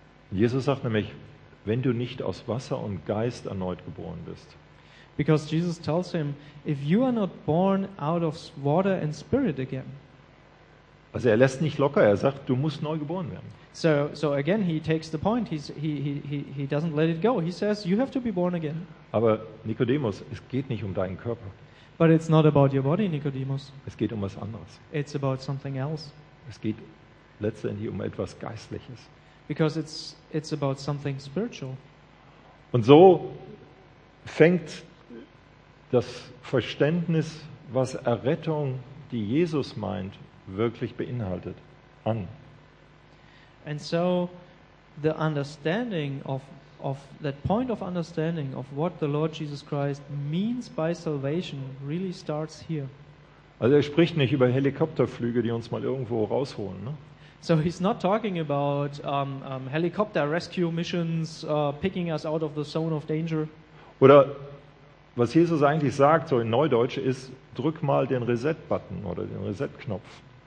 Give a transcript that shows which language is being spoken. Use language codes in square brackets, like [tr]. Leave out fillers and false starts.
[de] Jesus sagt nämlich, wenn du nicht aus Wasser und Geist erneut geboren bist. [en] Because Jesus tells him, if you are not born out of water and spirit again. [de] Also er lässt nicht locker, er sagt, du musst neu geboren werden. [en] So again he takes the point, he doesn't let it go. He says, you have to be born again. [de] Aber Nikodemus, es geht nicht um deinen Körper. [en] But it's not about your body, Nikodemus. [de] Es geht um was anderes. [en] It's about something else. [de] Es geht letztendlich um etwas Geistliches. [en] Because it's about something spiritual. [de] Und so fängt das Verständnis, was Errettung, die Jesus meint, wirklich beinhaltet, an. [en] And so the understanding of that point of understanding of what the Lord Jesus Christ means by salvation really starts here. [de] Also er spricht nicht über Helikopterflüge, die uns mal irgendwo rausholen, ne? [en] So he's not talking about helicopter rescue missions picking us out of the zone of danger. [de] Oder was Jesus eigentlich sagt, so in Neudeutsch, ist, drück mal den Reset-Button oder den Reset-Knopf.